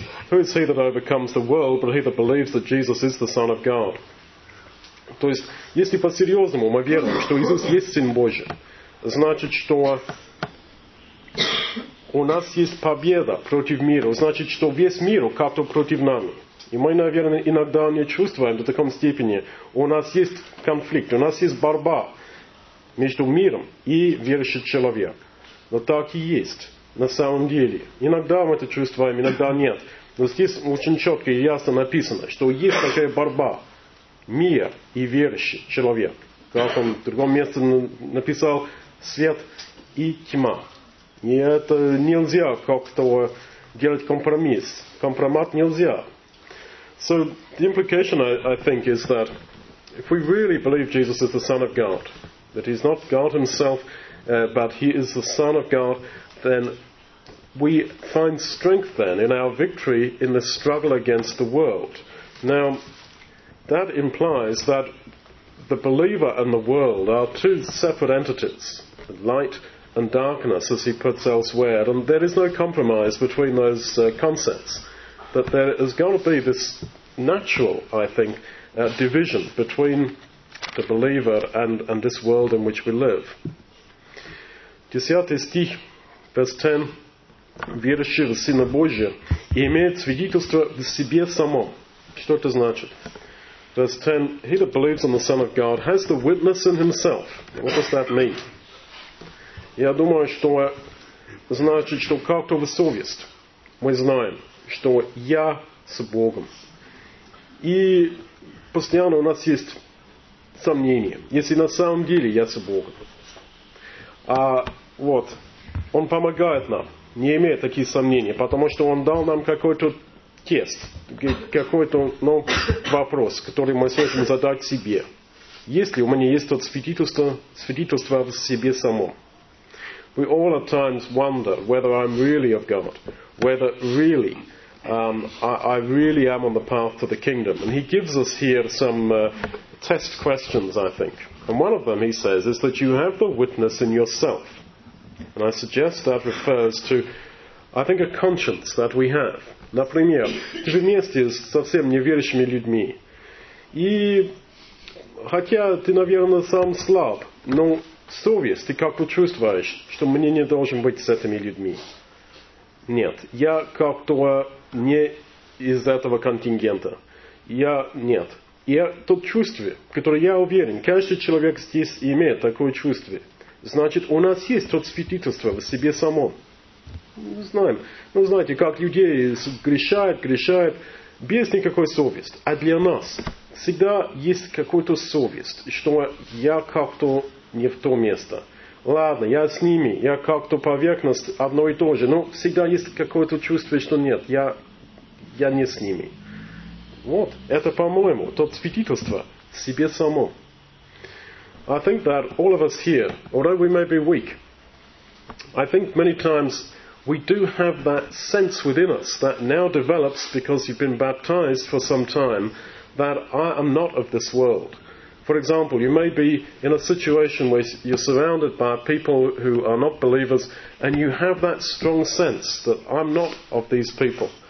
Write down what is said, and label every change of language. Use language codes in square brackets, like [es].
[en] Who is he that overcomes the world, but he that believes that Jesus is the Son of God? [ru] То есть, если по-серьезному мы верим, что Иисус есть Сын Божий, значит, что у нас есть победа против мира, значит, что весь мир как-то против нами. И мы, наверное, иногда не чувствуем до такой степени, у нас есть конфликт, у нас есть борьба между миром и верующим человеком. Но так и есть. На самом деле, иногда мы это чувствуем, иногда нет. Но здесь очень четко и ясно написано, что есть такая борьба. Мир и верующий человек. Как он в другом месте написал, свет и тьма. И это нельзя как-то делать компромисс. Компромат нельзя. [en] So, the implication, I think, is that if we really believe Jesus is the Son of God, that he's not God himself, but he is the Son of God, then we find strength then in our victory in the struggle against the world. Now, that implies that the believer and the world are two separate entities, light and darkness, as he puts elsewhere, and there is no compromise between those concepts. That there is going to be this natural, I think, division between the believer and this world in which we live. [ru] Десятый стих, [en] verse 10, [ru] верующий в Сына Божия имеет свидетельство в себе самом. Что это значит? [en] Verse 10, he that believes on the Son of God has the witness in himself. What does that mean? [ru] Я думаю, что значит, что как-то в совесть мы знаем, что я с Богом. И постоянно у нас есть сомнения, если на самом деле я с Богом. А вот, он помогает нам, не имея такие сомнения, потому что он дал нам какой-то тест, какой-то вопрос, который мы сможем задать себе. Если у меня есть тот свидетельство в себе самом. [en] We all at times wonder whether I'm really of God, whether really I really am on the path to the kingdom. And he gives us here some test questions, I think. And one of them, he says, is that you have the witness in yourself. And I suggest that refers to, I think, a conscience that we have. [ru] Например, ты вместе с совсем неверующими людьми. И хотя ты, наверное, сам слаб, но совесть, ты как-то чувствуешь, что мне не должен быть с этими людьми. Нет, я как-то не из этого контингента. Я нет. И то чувство, которое я уверен, каждый человек здесь имеет такое чувство. Значит, у нас есть то свидетельство в себе самом. Мы знаем. Ну, знаете, как людей грешают, без никакой совести. А для нас всегда есть какая-то совесть, что я как-то не в то место. Ладно, я с ними, я как-то поверхность одно и то же, но всегда есть какое-то чувство, что нет, я не с ними. Вот, это, по-моему, то свидетельство себе само. [en] I think that all of us here, although we may be weak, I think many times we do have that sense within us that now develops because you've been baptized for some time that I am not of this world. For example, you may be in a situation where you're surrounded by people who are not believers and you have that strong sense that I'm not of these people.